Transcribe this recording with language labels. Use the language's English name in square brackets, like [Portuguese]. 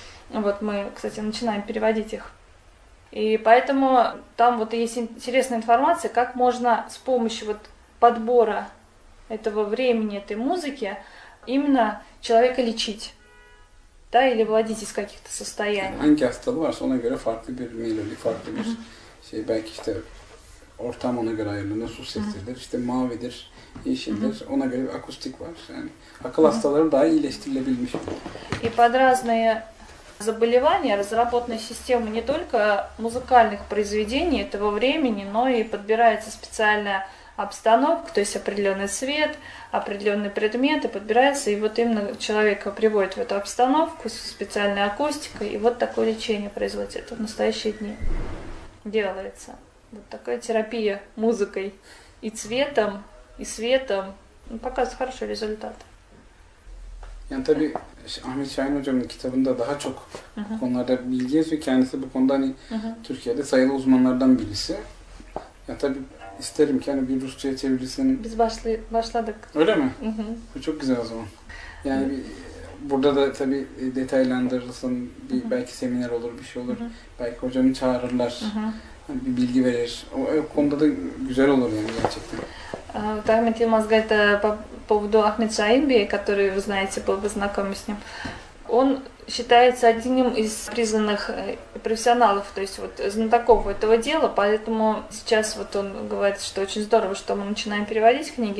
[Russian] Вот мы, кстати, начинаем переводить их. И поэтому там вот есть интересная информация, как можно с помощью вот подбора этого времени, этой музыки, именно человека лечить. Да, или выводить из каких-то состояний. [Turkish] Hangi hastalığı varsa ona göre farklı bir melodi, farklı bir şey. Belki işte ortam ona göre ayrılır, su sesidir, işte mavidir, yeşildir. Ona göre bir akustik var. Yani akıl hastaları daha iyileştirilebilmiş. [Russian] И под разные заболевания разработана система не только музыкальных произведений этого времени, но и подбирается специальная обстановка, то есть определенный свет, определенные предметы подбираются, и вот именно человека приводят в эту обстановку со специальной акустикой, и вот такое лечение производится. Это в настоящие дни делается. Вот такая терапия музыкой и цветом ну, показывает хороший результат. [Turkish] Yani tabii Ahmet Şahin hocamın kitabında daha çok konularda bilgiyiz ve kendisi bu konuda hani Türkiye'de sayılı uzmanlardan birisi. Ya tabii İsterim ki hani bir Rusça'ya çevirirsen. Biz başladık. Öyle mi? Bu çok güzel o zaman. Yani burada da tabii detaylandırırsın. Belki seminer olur, bir şey olur. Belki hocamı çağırırlar. bir bilgi verir. O konuda da güzel olur yani gerçekten. Tahmet Yılmaz Gayet'e [Russian] по поводу Ахмед Шаим Бей, который, вы знаете, был бы знаком с ним. Он считается одним из признанных профессионалов, то есть вот знатоков этого дела, поэтому сейчас вот он говорит, что очень здорово, что мы начинаем переводить книги.